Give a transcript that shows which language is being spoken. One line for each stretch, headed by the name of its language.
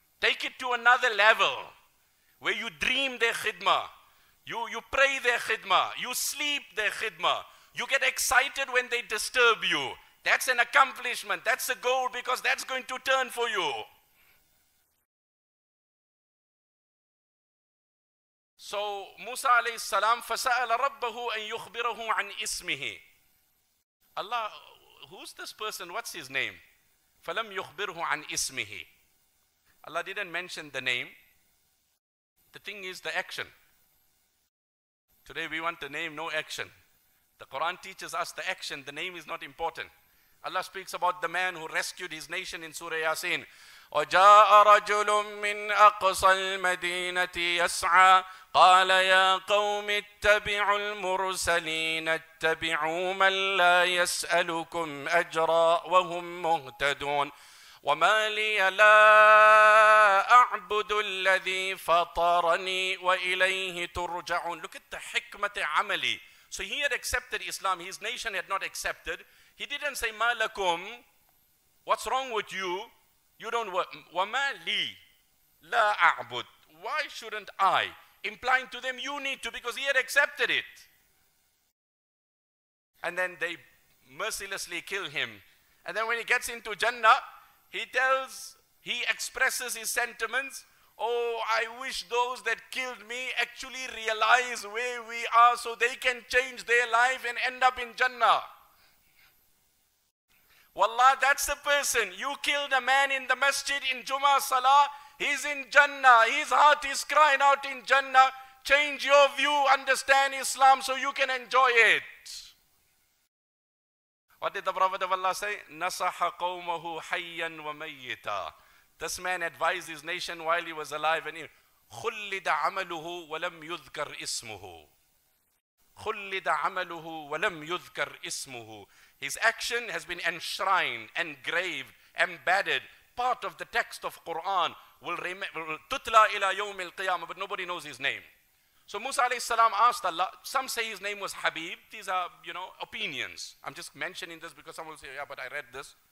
English: Take it to another level where you dream their khidmah. You pray their khidmah. You sleep their khidmah. You get excited when they disturb you. That's an accomplishment. That's a goal, because that's going to turn for you.
Arabic: So Musa alayhi salam, فَسَأَلَ رَبَّهُ أَن يُخْبِرَهُ عَنْ إِسْمِهِ.
English: Allah, who's this person? What's his name?
Arabic: فَلَمْ يُخْبِرْهُ عَنْ إِسْمِهِ.
English: Allah didn't mention the name. The thing is the action. Today we want the name, no action. The Quran teaches us the action. The name is not important. Allah speaks about the man who rescued his nation in Surah Yasin.
Arabic: وَجَاءَ رَجُلٌ مِّنْ أَقْصَى الْمَدِينَةِ يَسْعَى قَالَ يَا قَوْمِ اتَّبِعُوا الْمُرْسَلِينَ اتَّبِعُوا مَنْ لَا يَسْأَلُكُمْ أَجْرًا وَهُمْ مُهْتَدُونَ وَمَا لِيَ لَا أَعْبُدُ الَّذِي فَطَرَنِي وَإِلَيْهِ تُرْجَعُونَ.
English: Look at the hikmat amali. So he had accepted Islam. His nation had not accepted. He didn't say,
Arabic: مَا لَكُمْ,
English: what's wrong with you? You don't work.
Arabic: وَمَا لِي لَا أَعْبُدُ,
English: why shouldn't I? Implying to them, you need to, because he had accepted it. And then they mercilessly kill him. And then when he gets into Jannah, He expresses his sentiments. Oh, I wish those that killed me actually realize where we are so they can change their life and end up in Jannah. Wallah, that's the person. You killed a man in the masjid in Jummah Salah. He's in Jannah. His heart is crying out in Jannah. Change your view, understand Islam so you can enjoy it. What did the Prophet of Allah say?
Arabic: نَصَحَ قَوْمَهُ حَيًّا وَمَيِّتًا.
English: This man advised his nation while he was alive.
Arabic: And خُلِّدَ عَمَلُهُ وَلَمْ يُذْكَرْ إِسْمُهُ. خُلِّدَ عَمَلُهُ وَلَمْ يُذْكَرْ إِسْمُهُ.
English: His action has been enshrined, engraved, embedded, part of the text of Quran.
Arabic: تُتْلَى إِلَى يَوْمِ الْقِيَامَةِ.
English: But nobody knows his name. So Musa alayhi salam asked Allah, some say his name was Habib. These are, you know, opinions. I'm just mentioning this because some will say, yeah, but I read this.